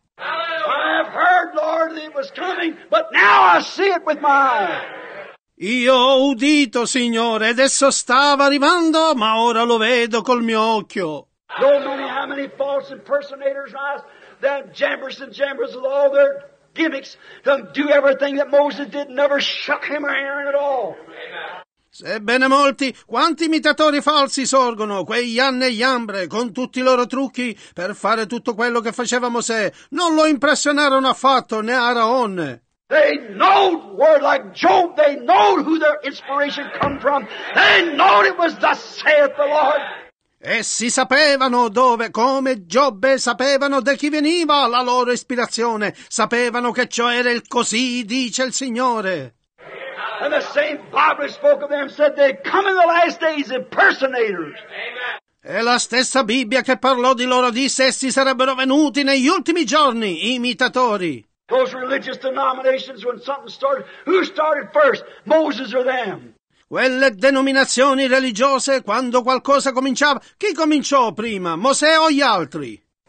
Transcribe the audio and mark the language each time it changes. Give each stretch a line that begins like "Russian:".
English: I've heard, Lord, that it was coming, but now I see it with my eyes.
Italian: Io ho udito, Signore, ed esso stava arrivando, ma ora lo vedo col mio occhio.
English: How many false impersonators rise? That jambers and jambers with all their gimmicks to do everything that Moses did, never shook him or Aaron at all.
Italian: Sebbene molti, quanti imitatori falsi sorgono, quei Ian e Iambre, con tutti i loro trucchi, per fare tutto quello che faceva Mosè, non lo impressionarono affatto, né Aaron.
English: They know where, like Job, they know who their inspiration come from. They know it was thus saith the Lord.
Italian: Essi sapevano dove, come Giobbe, sapevano da chi veniva la loro ispirazione. Sapevano che ciò era il così, dice il Signore.
English: And the same Bible spoke of them, said they come in the last days impersonators.
Italian: E la stessa Bibbia che parlò di loro disse essi sarebbero venuti negli ultimi giorni, imitatori.
English: Those religious denominations, when something started, who started first, Moses or them?
Italian: Quelle denominazioni religiose, quando qualcosa cominciava, chi cominciò prima, Mosè o gli altri?